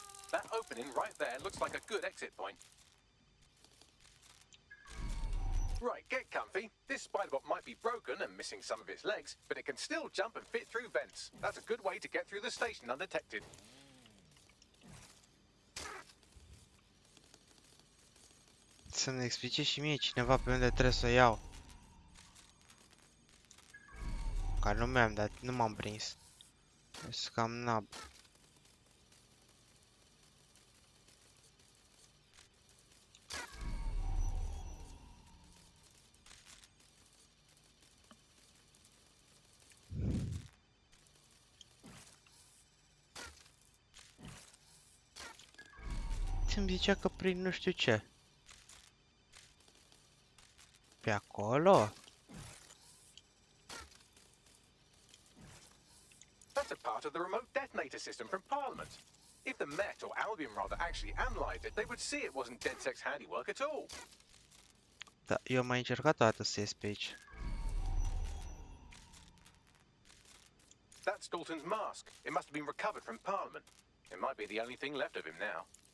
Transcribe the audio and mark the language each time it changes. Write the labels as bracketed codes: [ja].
[en] That opening right there looks like a good exit point. get comfy. This spiderbot might be broken and missing some of its legs, but it can still jump and fit through vents. That's a good way to get through the station undetected. [ro] Să-mi explice și mie cineva pe unde trebuie să iau. Ca nu mi-am dat, nu m-am prins. Sunt cam nab. Ți-mi zicea că prin nu știu ce. Pe acolo? [en] That's a part of the remote detonator system from Parliament. If the Met, or Albion rather, actually analyzed it, they would see it wasn't DedSec's handiwork at all. [ro] Da, eu am mai încercat o dată să ies pe aici. [en] That's Dalton's mask. It must have been recovered from Parliament. It might be the only thing left of him now.